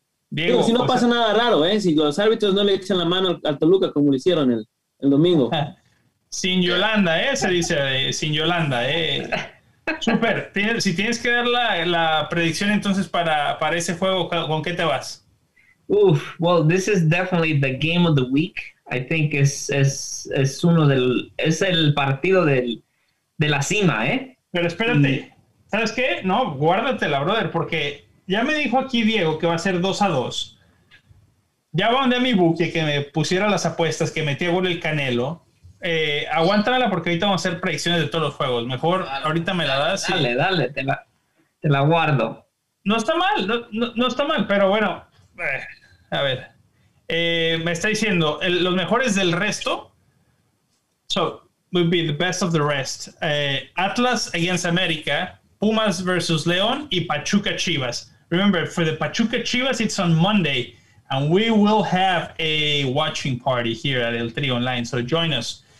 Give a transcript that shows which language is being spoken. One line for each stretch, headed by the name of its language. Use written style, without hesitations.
Spanish: Diego, pero si no pasa nada raro, ¿eh? Si los árbitros no le echan la mano al Toluca como lo hicieron el domingo. Sin Yolanda, ¿eh? Se dice, sin Yolanda, ¿eh? Super. Si tienes que dar la predicción entonces para ese juego, ¿con qué te vas?
English: Uf, well, this is definitely the game of the week. I think
Spanish: es uno del... Es el partido de la cima, ¿eh? Pero espérate. ¿Sabes qué? No, guárdatela, brother, porque... Ya me dijo aquí Diego que va a ser 2-2. Ya mandé a mi buque que me pusiera las apuestas, que metí a gol el Canelo. Aguántala porque ahorita vamos a hacer predicciones de todos los juegos. Mejor dale, ahorita me la das. Dale, te la guardo. No está mal, no está mal, pero bueno. A ver, me está diciendo, los mejores del resto.
English: So, we'll be the best of the rest. Atlas against América. Pumas versus León y Pachuca Chivas. Remember, for the Pachuca Chivas, it's on Monday, and we will have a watching party here at El Trio Online, so join us.